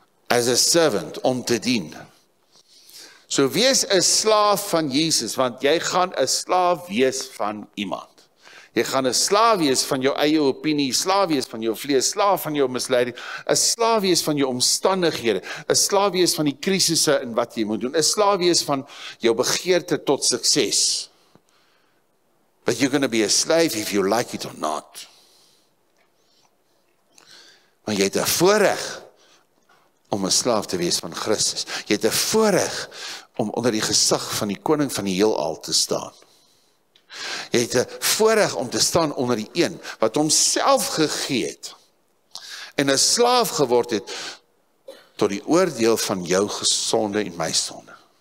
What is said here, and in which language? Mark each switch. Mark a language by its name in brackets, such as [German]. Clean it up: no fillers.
[English] As a servant, [Afrikaans] om te dien. So wees 'n slaaf van Jesus, want jy gaan 'n slaaf wees van iemand. Jy gaan 'n slaaf wees van jou eie opinie, slaaf wees van jou vlees, slaaf van jou misleiding, 'n slaaf wees van jou omstandighede, 'n slaaf wees van die krisisse en wat jy moet doen, 'n slaaf wees van jou begeerte tot sukses. [English] But you're going to be a slave if you like it or not. [Afrikaans] Maar jy het 'n voorreg om 'n slaaf te wees van Christus. Jy het 'n voorreg om onder die gesag van die koning van die heelal te staan. Jy het 'n voorreg om te staan onder die een wat homself gegee het en 'n slaaf geword het tot die oordeel van jou sonde en my sonde.